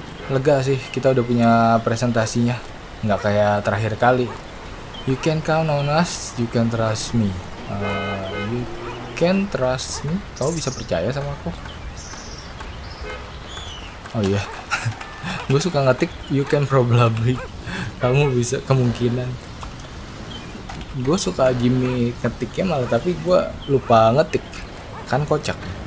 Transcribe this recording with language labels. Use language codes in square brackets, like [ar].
[id] Lega sih kita udah punya presentasinya. Nggak kayak terakhir kali. [en] You can count on us, you can trust me. You can trust me. [id] Kau bisa percaya sama aku. Oh iya. Gue suka ngetik [en] you can probably. [id] Kamu bisa kemungkinan. Gue suka Jimmy ngetiknya malah, tapi gue lupa ngetik. Kan kocak.